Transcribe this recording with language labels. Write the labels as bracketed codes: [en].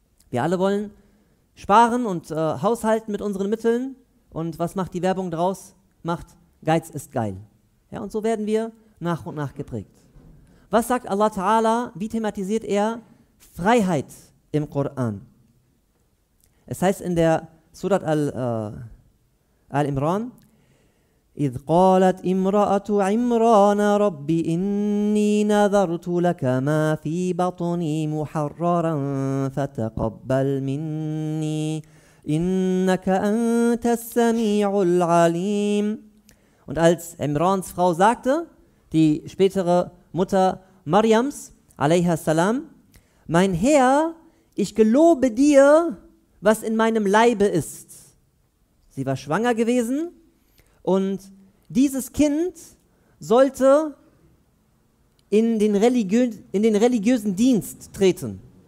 [de] Wir alle wollen sparen und haushalten mit unseren Mitteln. Und was macht die Werbung draus? Macht Geiz ist geil. Ja, und so werden wir nach und nach geprägt. Was sagt Allah Ta'ala, wie thematisiert er Freiheit im Koran? Es heißt in der Surat Al-Imran, [ar] إِذْ قَالَتْ إِمْرَأَةُ عِمْرَانَ رَبِّ إِنِّي نَذَرْتُ لَكَ مَا فِي بَطْنِي مُحَرَّرًا فَتَقَبَّلْ مِنِّي إِنَّكَ أَنْتَ السَّمِيعُ الْعَلِيمُ. [de] Und als Imrans Frau sagte, die spätere Mutter Maryams, alayha salam, mein Herr, ich gelobe dir, was in meinem Leibe ist. Sie war schwanger gewesen. Und dieses Kind sollte in den religiösen Dienst treten.